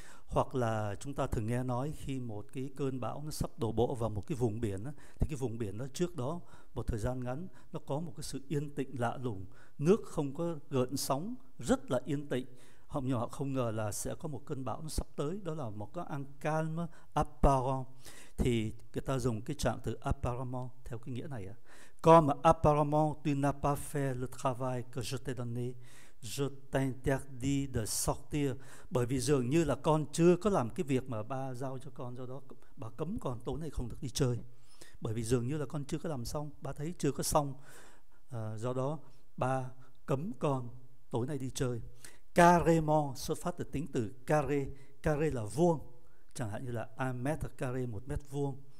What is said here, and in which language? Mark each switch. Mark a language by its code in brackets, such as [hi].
[vi] Hoặc là chúng ta thường nghe nói khi một cái cơn bão nó sắp đổ bộ vào một cái vùng biển đó, thì cái vùng biển đó trước đó một thời gian ngắn nó có một cái sự yên tĩnh lạ lùng, nước không có gợn sóng, rất là yên tĩnh. Họ nhưng họ không ngờ là sẽ có một cơn bão nó sắp tới, đó là một cái [fr] un calme apparent. [vi] Thì người ta dùng cái trạng từ apparemment theo cái nghĩa này ạ. [fr] Comme apparemment tu n'as pas fait le travail que je t'ai donné, je t'interdis de sortir. [vi] Bởi vì dường như là con chưa có làm cái việc mà ba giao cho con, do đó bà cấm con tối nay không được đi chơi. Bởi vì dường như là con chưa có làm xong, ba thấy chưa có xong, do đó ba cấm con tối nay đi chơi. Carrément xuất phát từ tính từ carré. Carré là vuông, chẳng hạn như là 1 mètre carré, 1 mét vuông.